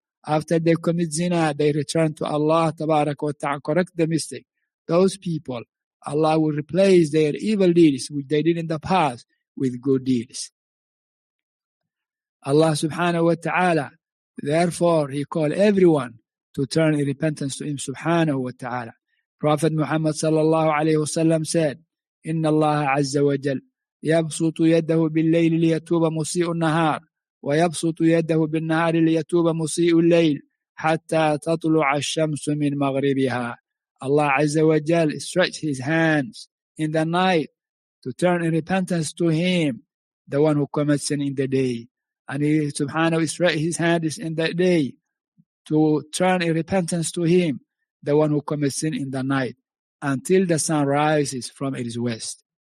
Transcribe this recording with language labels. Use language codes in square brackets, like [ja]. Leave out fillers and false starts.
[en] After they commit zina, they return to Allah tabarak wa ta'ala and correct the mistake. Those people, Allah will replace their evil deeds, which they did in the past, with good deeds. Allah subhanahu wa ta'ala, therefore, he called everyone to turn in repentance to him subhanahu wa ta'ala. Prophet Muhammad sallallahu alayhi wa sallam said, [ar] إِنَّ اللَّهَ عَزَّ وَجَلْ يَبْسُطُ يَدَّهُ بِاللَّيْلِ لِيَتُوبَ مُصِيءُ النَّهَارِ وَيَبْسُطُ يَدَّهُ بِالنَّهَارِ لِيَتُوبَ مُصِيءُ اللَّيْلِ حَتَّى تَطْلُعَ الشَّمْسُ مِنْ مَغْرِبِهَا. [en] Allah Azza wa Jal stretched his hands in the night to turn in repentance to him, the one who commits sin in the day. And he subhanahu stretched his hands in that day to turn in repentance to him, the one who commits sin in the night, until the sun rises from its west.